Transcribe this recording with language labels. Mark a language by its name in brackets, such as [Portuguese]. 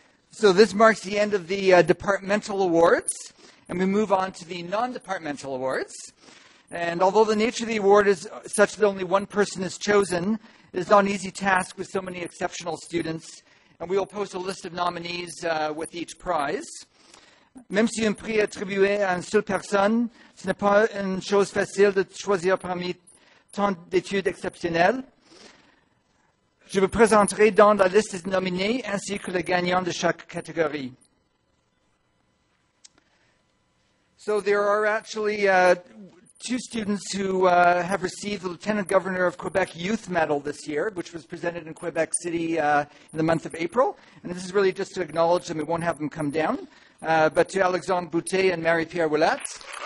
[English] So this marks the end of the departmental awards, and we move on to the non-departmental awards. And although the nature of the award is such that only one person is chosen, it is not an easy task with so many exceptional students, and we will post a list of nominees with each prize. [French] Même si un prix est attribué à une seule personne, ce n'est pas une chose facile de choisir parmi tant d'études exceptionnelles. Je vous présenterai dans la liste des nominés ainsi que les gagnants de chaque catégorie. [English] So there are actually two students who have received the Lieutenant Governor of Quebec Youth Medal this year, which was presented in Quebec City in the month of April. And this is really just to acknowledge them. We won't have them come down. But to Alexandre Boutet and Marie-Pierre Ouellette.